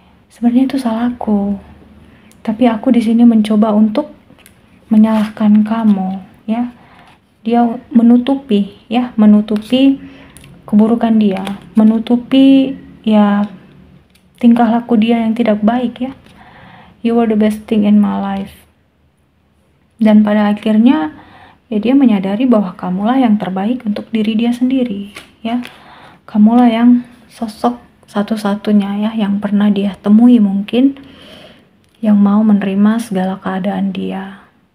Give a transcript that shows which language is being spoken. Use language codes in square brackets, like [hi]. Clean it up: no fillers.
[id] Sebenarnya itu salahku. Tapi aku di sini mencoba untuk menyalahkan kamu ya. Dia menutupi ya, menutupi keburukan dia, menutupi ya tingkah laku dia yang tidak baik ya. [en] You were the best thing in my life. [id] Dan pada akhirnya ya dia menyadari bahwa kamulah yang terbaik untuk diri dia sendiri ya. Kamulah yang sosok satu-satunya ya yang pernah dia temui mungkin yang mau menerima segala keadaan dia.